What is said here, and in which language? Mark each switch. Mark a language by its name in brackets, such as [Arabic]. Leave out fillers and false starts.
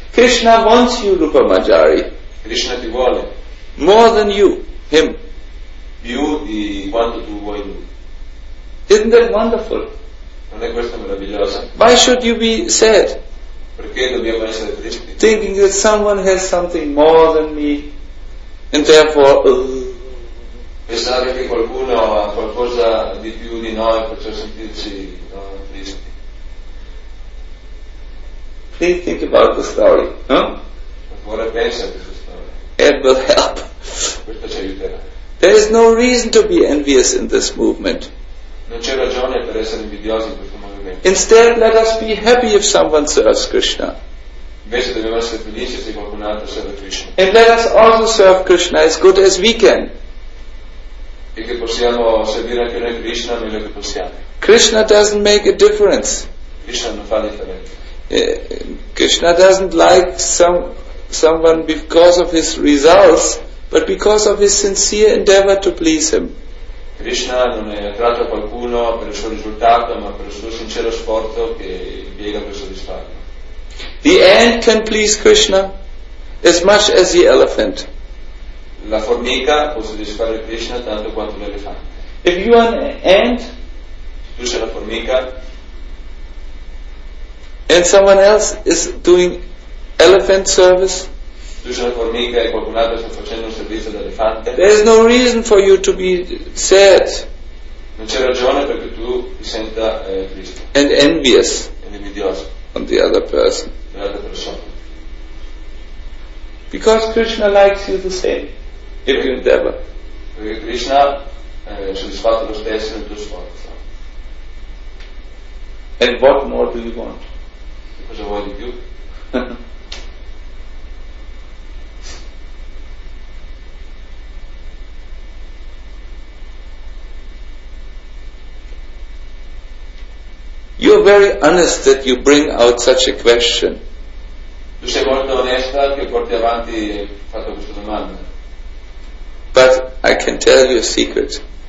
[English] Krishna wants you, Rupa Bhattacharya. [Italian] Krishna ti vuole. [English] More than you, him. [Italian] Più di quanto tu vuoi lui. [English] Isn't that wonderful? [Italian] Non è questo meraviglioso? [English] Why should you be sad? [Italian] Perché dobbiamo essere tristi? [English] Thinking that someone has something more than me, and therefore. [Italian] Pensare che qualcuno ha qualcosa di più di noi, perciò sentirci tristi. [English] Please think about the story, no? [Italian] Ora pensa a questa storia. [English] It will help. [Italian] Questo ci aiuterà. [English] There is no reason to be envious in this movement. [Italian] Non c'è ragione per essere invidiosi in questo movimento. [English] Instead, let us be happy if someone serves Krishna. [Italian] Invece dobbiamo essere felici se qualcun altro serve Krishna. [English] And let us also serve Krishna as good as we can. [Italian] E che possiamo servire anche noi Krishna meglio che possiamo. [English] Krishna doesn't make a difference. [Italian] Krishna non fa differenza. [English] Krishna doesn't like someone because of his results, but because of his sincere endeavor to please him. [Italian] Krishna non è attratto a qualcuno per il suo risultato, ma per il suo sincero sforzo che viene per soddisfarlo. [English] The ant can please Krishna as much as the elephant. [Italian] La formica può soddisfare Krishna tanto quanto l'elefante. [English] If you are an ant, [Italian] tu sei la formica, [English] and someone else is doing elephant service, [Italian] tu sei la formica e qualcun altro sta facendo un servizio d'elefante, [English] there is no reason for you to be sad. [Italian] Non c'è ragione perché tu ti senta triste. [English] And envious. [Italian] E invidioso. [English] On the other person. [Italian] L'altra persona. [English] Because Krishna likes you the same. If you endeavor. [Italian] Perché Krishna è soddisfatto lo stesso nel tuo sforzo. [English] And what more do you want? [Italian] Cosa vuoi di più? [English] You are very honest that you bring out such a question. [Italian] Tu sei molto onesta che porti avanti fatto questa domanda. [English] But I can tell you a secret.